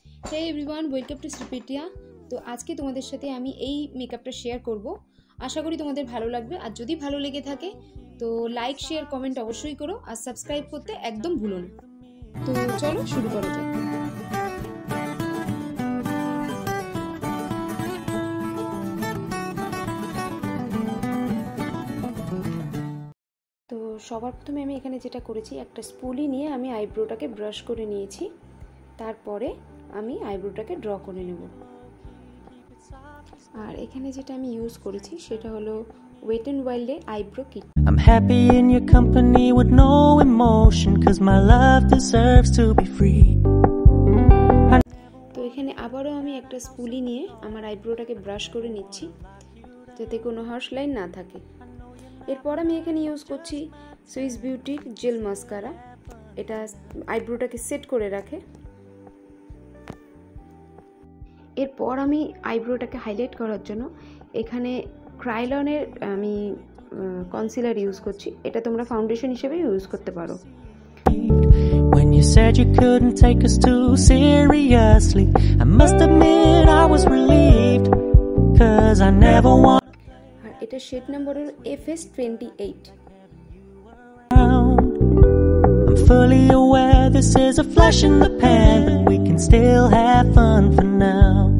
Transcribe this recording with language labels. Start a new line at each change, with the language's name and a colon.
English: Hey everyone, welcome to Sripitia.
Bangla: তো আজকে তোমাদের সাথে আমি এই মেকআপটা শেয়ার করব। আশা করি তোমাদের ভালো লাগবে। আর যদি ভালো লেগে থাকে তো লাইক শেয়ার কমেন্ট অবশ্যই করো, আর সাবস্ক্রাইব করতে একদম ভুলো না। তো চলো শুরু করা যাক। তো সবার প্রথমে আমি এখানে যেটা করেছি, একটা স্পুলি নিয়ে আমি আইব্রোটাকে ব্রাশ করে নিয়েছি। তারপরে আমি আইব্রোটাকে ড্র করে নেব। আর এখানে যেটা আমি ইউজ করেছি সেটা হলো wait and ওয়াইল্ডের eyebrow kit.
English: I'm happy in your company with no emotion cause my love deserves to be free.
Bangla: তো এখানে আবারো আমি একটা স্পুলি নিয়ে আমার আইব্রোটাকে ব্রাশ করে নিচ্ছি যাতে কোনো হার্শ লাইন না থাকে। এরপর আমি এখানে ইউজ করছি সুইস বিউটির জেল মাস্কারা। এটা আইব্রোটাকে সেট করে রাখে। এরপর আমি আইব্রোটাকে হাইলাইট করার জন্য এখানে ক্রাইলনের আমি কনসিলার ইউজ করছি। এটা তোমরা ফাউন্ডেশন হিসেবে ইউজ করতে পারো।
English: When you said you couldn't take us too seriously, I must admit I was relieved cuz I never want
Bangla: এটা শেড নাম্বার হলো FS28।
English: I'm fully aware this is a flash in the pan, we can still have fun for now.